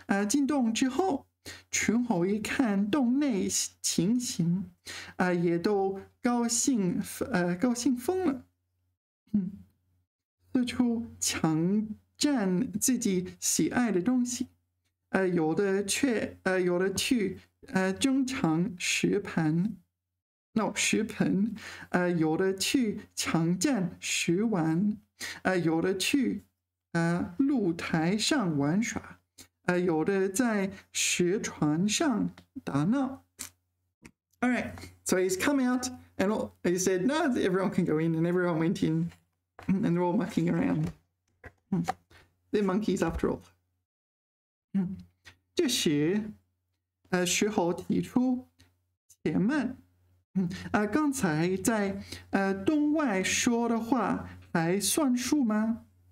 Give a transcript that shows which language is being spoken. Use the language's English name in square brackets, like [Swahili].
[Chinese] 进洞之后，群猴一看洞内情形，也都高兴疯了，四处抢占自己喜爱的东西，有的去争抢石盘，石盆，有的去抢占石碗，有的去露台上玩耍。有的在石船上打闹。 [English] All right, so he's come out, and he said, no, everyone can go in, and everyone went in, and they're all mucking around. They're monkeys after all. [Chinese] 这时，石猴提出，且慢，刚才在洞外说的话还算数吗？